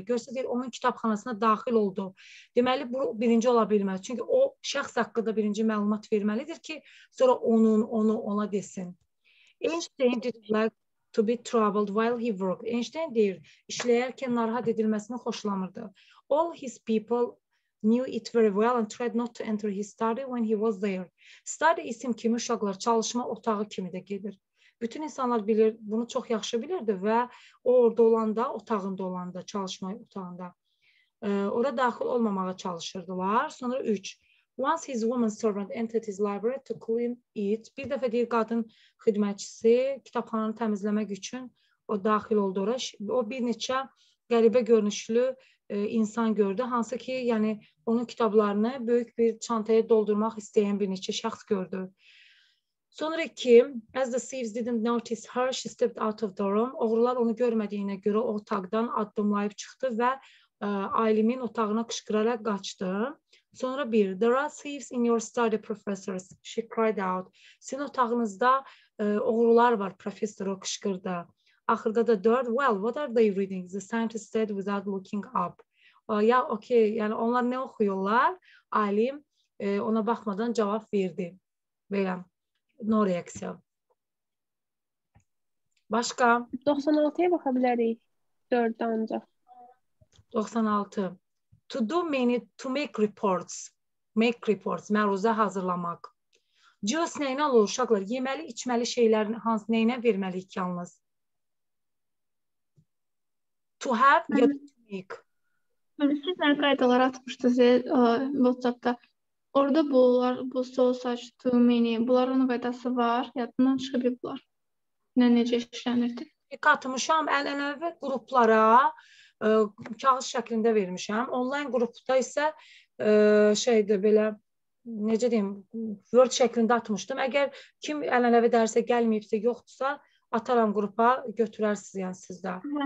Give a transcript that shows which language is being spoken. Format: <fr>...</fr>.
<az>Görsünüz, deyir, onun kitabxanasına daxil oldu. Deməli, bu birinci ola bilməz. Çünki o şəxs haqqında birinci məlumat verməlidir ki, sonra onun, onu, ona desin.</az> <en>Einstein did like to be troubled while he worked.</en> <az>Einstein deyir, işləyərkən narahat edilməsini xoşlamırdı.</az> <en>All his people knew it very well and tried not to enter his study when he was there.</en> <az>Study isim kimi uşaqlar çalışma otağı kimi də gedir. Bütün insanlar bilir, bunu çox yaxşı bilirdi və o orada olanda, otağında olanda, çalışma otağında. Ora daxil olmamağa çalışırdılar. Sonra 3.</az> <en>Once his woman servant entered his library to clean it.</en> <az>Bir dəfə deyir, qadın xidmətçisi kitabxananı təmizləmək üçün o daxil oldu ora. O bir neçə qəribə görünüşlü insan gördü. Hansı ki, yəni onun kitablarını böyük bir çantaya doldurmaq istəyən bir neçə şəxs gördü. Sonra Kim,</az> <en>as the thieves didn't notice her, she stepped out of the room.</en> <az>Oğrular onu görmədiyinə görə otaqdan addımlayıb çıxdı və Aylimin otağına qışqıraraq qaçdı. Sonra bir,</az> <en>there are thieves in your study, professors, she cried out.</en> <az>Sizin otağınızda oğrular var, professor, o qışqırdı. Axırda da dörd,</az> <en>well, what are they reading? The scientist said without looking up.</en> <az>Yəni onlar nə oxuyorlar? Alim ona baxmadan cavab verdi. Belə, no reaksiya. Başqa? 96-ya baxa bilərik, dördə ancaq.</az> <en>96. To do many, to make reports.</en> <az>Make reports, məruzə hazırlamaq. Just nəyinə olur uşaqlar? Yeməli, içməli şeylərin hansı nəyinə verməliyik yalnız?</az> <en>To have ya to make.</en> <az>Siz nə qaydalar atmışdınız WhatsApp-da? Orada bunlar, bu so such, to many, bunların qaydası var. Yadından çıxıb bunlar. Nə necə işlənirdi? Katmışam ən-ənəvi qruplara. Kağız şəklində vermişəm. Online qrupda isə şeydir, belə, necə deyim, Word şəklində atmışdım. Əgər kim ənənəvi dərsə gəlməyibsə, yoxdursa, ataram qrupa, götürərsiniz, yəni sizdə.</az>